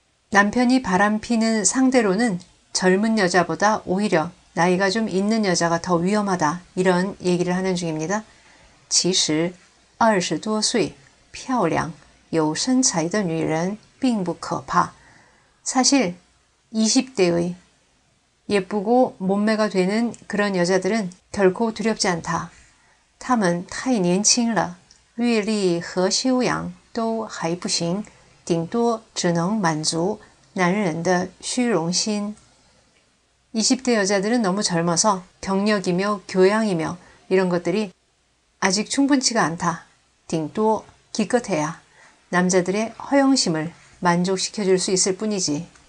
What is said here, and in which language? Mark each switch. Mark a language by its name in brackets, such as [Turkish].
[Korean] 남편이 바람피는 상대로는 젊은 여자보다 오히려 나이가 좀 있는 여자가 더 위험하다 이런 얘기를 하는 중입니다. [Chinese] 其实 20多岁漂亮有身材的女人并不可怕. [Korean] 사실 20대의 예쁘고 몸매가 되는 그런 여자들은 결코 두렵지 않다. [Chinese] 她们太年轻了阅历和修养都还不行顶多只能满足男人的虚荣心. [Korean] 20대 여자들은 너무 젊어서 경력이며 교양이며 이런 것들이 아직 충분치가 않다. [Chinese] 顶多 [Korean] 기껏해야 남자들의 허영심을 만족시켜줄 수 있을 뿐이지.